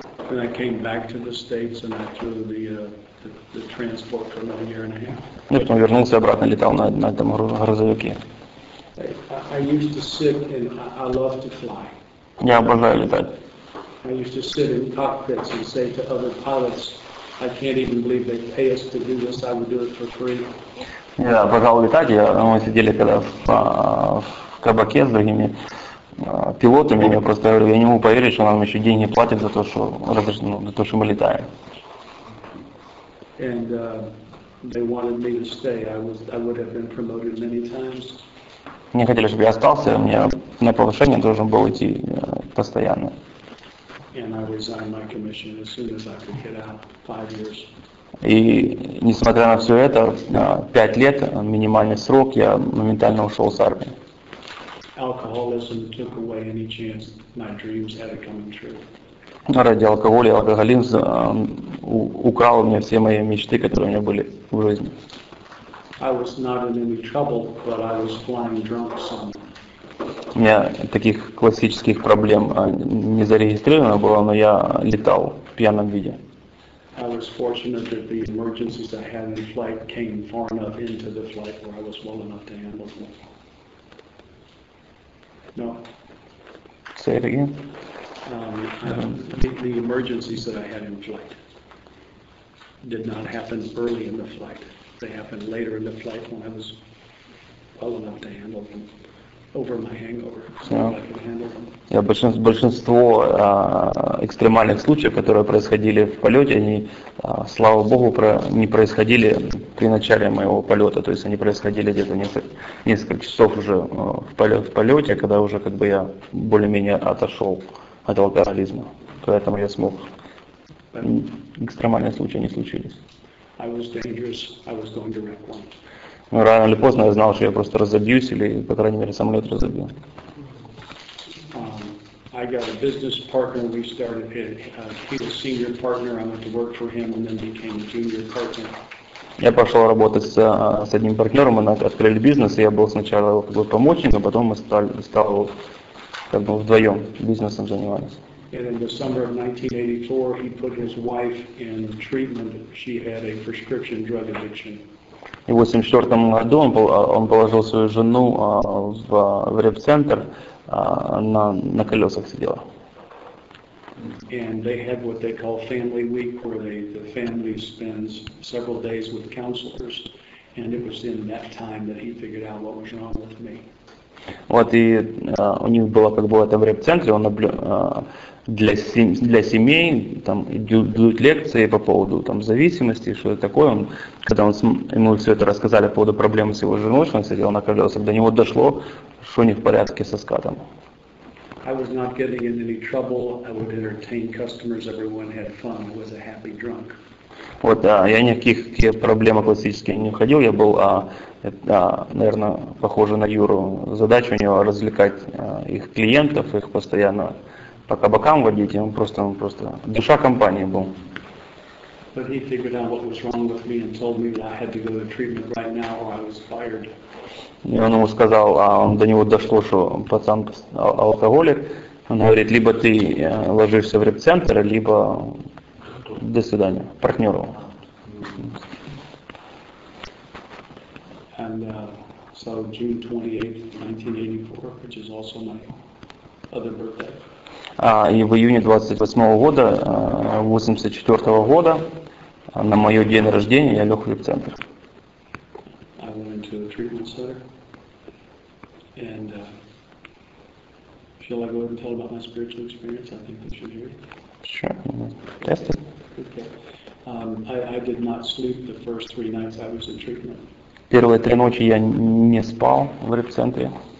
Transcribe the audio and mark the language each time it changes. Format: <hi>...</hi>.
<en>And I came back to the States and I flew the transport for another year and a half.</en> <ru>Ну, потом вернулся обратно, летал на этом грузовике.</ru> <en>I used to sit and I love to fly.</en> <ru>Я обожаю летать.</ru> <en>I used to sit in cockpits and say to other pilots, I can't even believe they pay us to do this, I would do it for free.</en> <ru>Я обожал летать, мы сидели когда в кабаке с другими пилотами, я просто говорю, я не могу поверить, что нам еще деньги платят за то, что, ну, за то, что мы летаем.</ru> <en>And they wanted me to stay. I would have been promoted many times.</en> <ru>Мне хотели, чтобы я остался, мне на повышение должен был идти постоянно.</ru> <en>And I resigned my commission as soon as I could get out, 5 years.</en> <ru>И несмотря на все это, 5 лет минимальный срок, я моментально ушел с армии.</ru> <en>Alcoholism took away any chance my dreams had of coming true.</en> <ru>Ради алкоголя и алкоголизм украл у меня все мои мечты, которые у меня были в жизни.</ru> <en>I was not in any trouble, but I was flying drunk somewhere.</en> <ru>У меня таких классических проблем не зарегистрировано было, но я летал в пьяном виде.</ru> <en>I was fortunate that the emergencies I had in flight came far enough into the flight where I was well enough to handle them. No. Say it again. The emergencies that I had in flight did not happen early in the flight. They happened later in the flight when I was well enough to handle them. Over my hangover, so yeah. I could handle them.</en> <ru>Я большинство экстремальных случаев, которые происходили в полете, они, слава богу, не происходили при начале моего полета, то есть они происходили где-то несколько часов уже в полете, когда уже как бы я более-менее отошел от алкоголизма, поэтому я смог. Экстремальные случаи не случились. Но рано или поздно я знал, что я просто разобьюсь или, по крайней мере, самолет разобью.</ru> <en>I got a business partner. We started it. He was senior partner. I went to work for him, and then became a junior partner.</en> <ru>Я пошел работать с одним партнером, мы открыли бизнес, и я был сначала его как бы помощником, а потом мы стали как бы вдвоем бизнесом занимались.</ru> <en>And in the summer of 1984, he put his wife in treatment. She had a prescription drug addiction.</en> <ru>И в 84 году он положил свою жену в реабцентр. На колесах сидела.</ru> <en>And they had what they call family week, where the family spends several days with counselors, and it was in that time that he figured out what was wrong with me.</en> <ru>Вот и у них было как бы это в реабцентре, он для семей там идут лекции по поводу там зависимости, что это такое. Он, когда он ему все это рассказали по поводу проблемы с его женой, что он сидел на колесах, до него дошло, что не в порядке со скатом.</ru> <en>I was not getting in any trouble. I would entertain customers. Everyone had fun. I was a happy drunk.</en> <ru>Вот, да, я никаких проблем классических не уходил. Я был, наверное, похоже на Юру. Задача у него развлекать их клиентов, их постоянно по кабакам водить. Он просто душа компании был.</ru> <en>But he figured out what was wrong with me and told me that I had to go to treatment right now or I was fired.</en> <ru>И он ему сказал, а он до него дошло, что пацан алкоголик, он говорит, либо ты ложишься в реп-центр, либо до свидания, партнеру.</ru> <en>And so June 28, 1984, which is also my other birthday.</en> <ru>И в июне 28 года, 84 года, на мое день рождения я лег в реп-центр.</ru> <en>I went into a treatment center. And shall I go ahead and tell about my spiritual experience? I think that you hear it. Sure. Yes. Okay. I did not sleep the first 3 nights I was in treatment.</en> <ru>Первые 3 ночи я не спал в реп-центре.</ru>